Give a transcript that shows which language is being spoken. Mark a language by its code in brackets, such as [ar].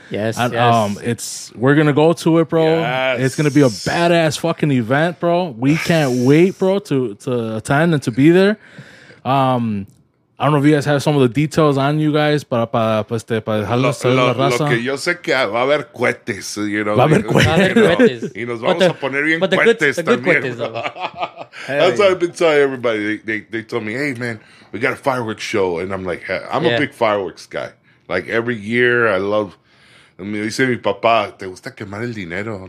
[en] We're gonna go to it, bro. Yes. It's gonna be a badass fucking event, bro. We can't wait, bro, to attend and to be there. I don't know if you guys have some of the details on you guys, but [es] para dejarlos saber la raza. Lo que yo sé que va a haber cohetes, you know. Va a haber cohetes. Y nos vamos a poner bien cohetes también. [en] That's what I've been telling everybody. They told me, hey, man, we got a fireworks show. And I'm like, I'm a big fireworks guy. Like, every year, I love. [es] Me dice mi papá, ¿te gusta quemar el dinero?